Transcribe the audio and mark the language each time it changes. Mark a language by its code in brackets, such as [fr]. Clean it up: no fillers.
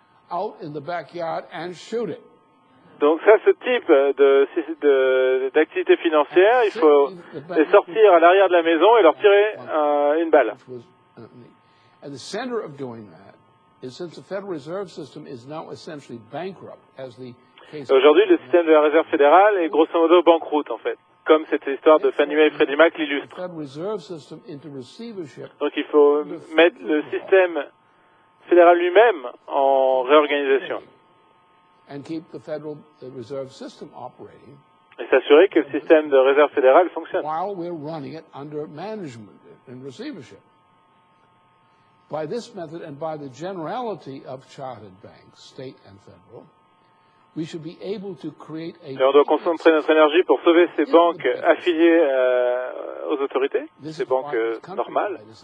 [fr] Donc ça, ce type d'activité financière, il faut les sortir à l'arrière de la maison et leur tirer une balle. [en] And the center of doing that is, since the Federal Reserve System is now essentially bankrupt, as the case. [fr] Aujourd'hui, le système de la réserve fédérale est grosso modo banqueroute, en fait, comme cette histoire de Fannie Mae et Freddie Mac l'illustre. Donc il faut mettre le système fédéral lui-même en réorganisation. [en] And keep the Federal Reserve System operating. [fr] Et s'assurer que le système de réserve fédérale fonctionne. [en] While we're running it under management and receivership. By this method and by the generality of chartered banks, state and federal, we should be able to create a. [fr] Et on doit concentrer notre énergie pour sauver ces banques affiliées aux autorités, ces banques normales.